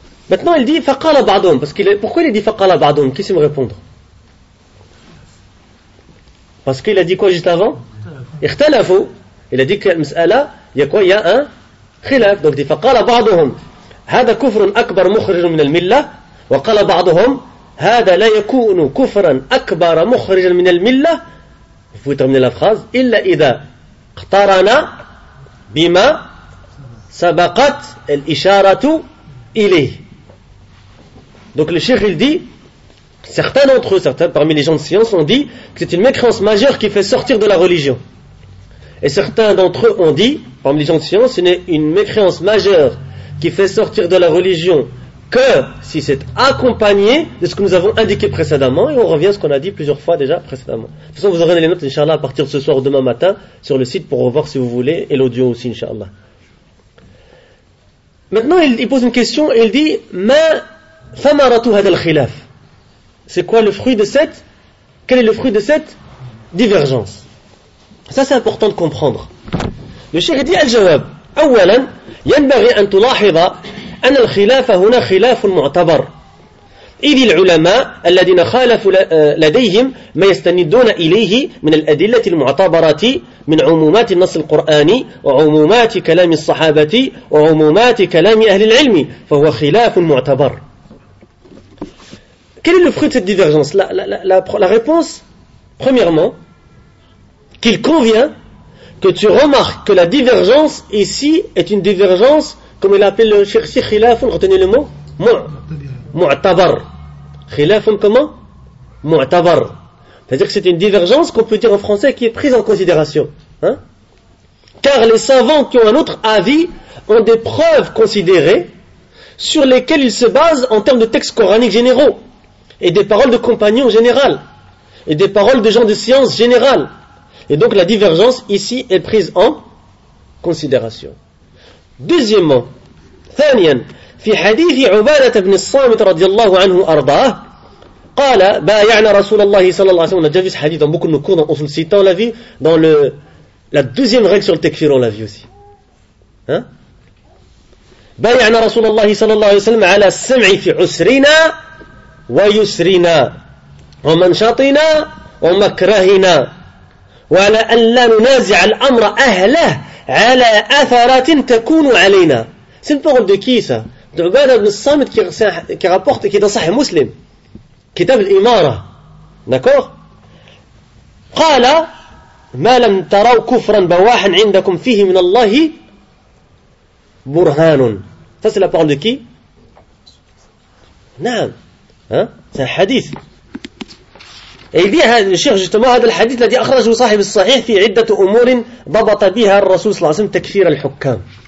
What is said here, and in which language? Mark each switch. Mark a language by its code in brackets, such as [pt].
[fr] Maintenant, il dit [ar] فَقَالَ بَعْدُمْ. [fr] Pourquoi il a dit فَقَالَ بَعْدُمْ? Qui sait me répondre? Parce qu'il a dit quoi juste avant? [ar] اختلفوا. [fr] Il a dit que المسألة, il y a quoi? Il y a un خلاف. [ar] Donc il dit فَقَالَ بَعْدُهُمْ هَذَا كُفْرٌ أَكْبَرَ مُخْرِجٌ مِنَ الْمِلَّةِ وَقَالَ بَعْدُهُمْ هَذَا لَا يَكُونُ كُفْرًا أَكْبَرَ مُخْرِجًا مِنَ الْمِلَّةِ. [fr] Vous pouvez terminer la phrase. [ar] إِلَّا إِذَا اقْتَرَنَا بِمَا سَبَقَتْ الْإِشَارَةُ إِلَيْهِ. [fr] Donc le Cheikh, il dit, certains d'entre eux, certains parmi les gens de science ont dit que c'est une mécréance majeure qui fait sortir de la religion. Et certains d'entre eux ont dit, parmi les gens de science, ce n'est une mécréance majeure qui fait sortir de la religion que si c'est accompagné de ce que nous avons indiqué précédemment. Et on revient à ce qu'on a dit plusieurs fois déjà précédemment. De toute façon, vous aurez les notes, Inch'Allah, à partir de ce soir ou demain matin sur le site pour revoir si vous voulez, et l'audio aussi, Inch'Allah. Maintenant, il pose une question et il dit, mais... [ar] ثمرت هذا الخلاف. [fr] C'est quoi le fruit de cette? Quel est le fruit de cette divergence? Ça, c'est important de comprendre. Le Cheikh dit al-jawab. [ar] اولا ينبغي ان تلاحظ ان الخلاف هنا خلاف معتبر. اذ العلماء الذين خالفوا لديهم ما يستندون اليه من الادله المعتبره من عمومات النص القراني وعمومات كلام الصحابه وعمومات كلام اهل العلم فهو خلاف معتبر. [fr] Quel est le fruit de cette divergence? La réponse, premièrement, qu'il convient que tu remarques que la divergence ici est une divergence, comme il appelle le Cheikh ici, khilafun, retenez le mot, mu'tabar. Khilafun comment? Mu'tabar. C'est-à-dire que c'est une divergence qu'on peut dire en français qui est prise en considération. Hein? Car les savants qui ont un autre avis ont des preuves considérées sur lesquelles ils se basent en termes de textes coraniques généraux. Et des paroles de compagnons générales. Et des paroles de gens de science générales. Et donc la divergence ici est prise en considération. [ar] Deuxièmement, ثانيا, في حديث عبادة بن الصامت رضي الله عنه أرضاه, قال بايعنا رسول الله صلى الله عليه وسلم. [fr] On a déjà vu ce hadith dans beaucoup de nos cours, on le cite, on l'a vu dans le, la deuxième règle sur le tekfir, on l'a vu aussi. [ar] بايعنا رسول الله صلى الله عليه وسلم على السمع في عسرنا ويسرنا ومنشطنا ومكرهنا وعلى أن لا ننازع الأمر أهله على أثرات تكون علينا. [fr] C'est une parole de qui ça? D'Ubad ibn Samit qui rapporte, qui est dans Sahih Muslim, Kitab al-Imara. D'accord? [ar] قال ما لم تروا كفرا بواحا عندكم فيه من الله برهان. [fr] Ça c'est la parole de qui? Naam. C'est un hadith. Et il dit, le cheikh justement, [ar] هذا الحديث الذي أخرجه صاحب الصحيح في عدة أمور ضبط بها الرسول صلى الله عليه وسلم تكفير الحكام.